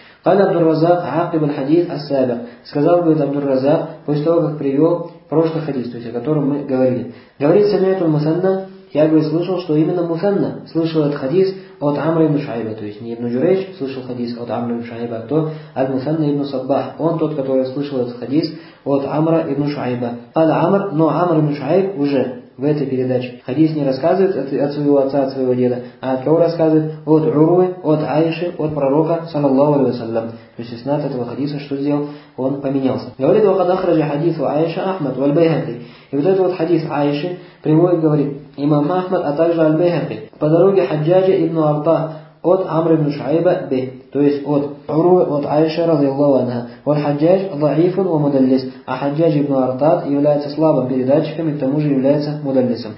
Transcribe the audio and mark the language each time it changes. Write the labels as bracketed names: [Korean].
[Arabic] قال عبد الرزاق عقب الحديث السابق. [Russian] Сказал бы عبد الرزاق после того, как привел прошлый хадис, то есть о котором мы говорили. Говорит [Arabic] سمعت المثنى. [Russian] Я бы слышал, что именно Мусанна слышал этот хадис от Амра ибн Шуайба. То есть не ибн Джурейдж слышал хадис от Амра ибн Шуайба, а то Аль-Мусанна ибн Саббах. Он тот, который слышал этот хадис от Амра ибн Шуайба. Аль-Амр, но Амр ибн Шуайб уже в этой передаче хадис не рассказывает от своего отца, от своего деда, а от кого рассказывает? От Урвы, от Аиши, от пророка, саллаллаху алейхи ва саллям. То есть иснад этого хадиса, что сделал? Он поменялся. Говорит, [Arabic] وقد أخرج حديث عائشة أحمد والبيهقي. [Russian] И вот этот вот хадис Аиши приводит, говорит, имам Ахмад, а также Аль-Байхаки. По дороге Хаджаджа ибн Арта от Амра ибн Шуайба бе. То есть от Урвы, от Аиши разиллаху анха. [Arabic] Валь-Хаджадж дайифун ва мудаллис. [Russian] А Хаджадж ибн Артат является слабым передатчиком и к тому же является мудаллисом.